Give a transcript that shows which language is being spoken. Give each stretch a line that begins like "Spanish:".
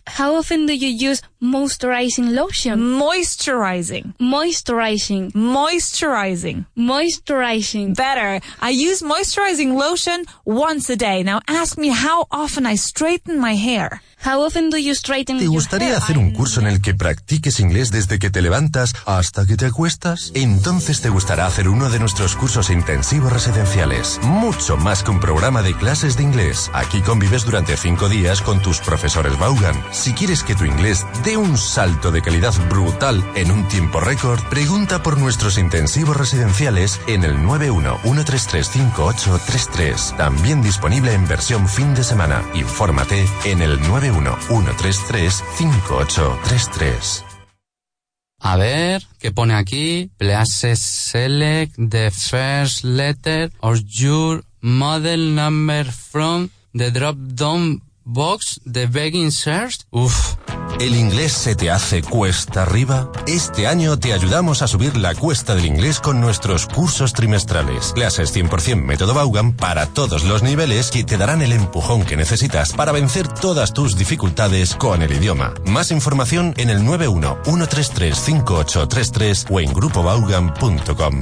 English: How often do you use moisturizing lotion? Moisturizing. Moisturizing. Moisturizing. Moisturizing. Better. I use moisturizing lotion 1 a day. Now ask me how often I straighten my hair. How often do you straighten
Spanish: ¿Te gustaría
English: your hair?
Spanish: Hacer un curso en el que practiques inglés desde que te levantas hasta que te acuestas? Entonces te gustará hacer uno de nuestros cursos intensivos residenciales. Mucho más que un programa de clases de inglés. Aquí convives durante 5 días con tus profesores Vaughan. Si quieres que tu inglés dé un salto de calidad brutal en un tiempo récord, pregunta por nuestros intensivos residenciales en el 91-133-5833. También disponible en versión fin de semana. Infórmate en el 91-133-5833. A ver, ¿qué pone aquí?
English: Please select the first letter of your model number from the drop-down box, the begin search.
Spanish: Uf. ¿El inglés se te hace cuesta arriba? Este año te ayudamos a subir la cuesta del inglés con nuestros cursos trimestrales. Clases 100% método Vaughan para todos los niveles que te darán el empujón que necesitas para vencer todas tus dificultades con el idioma. Más información en el 91-133-5833 o en grupovaughan.com.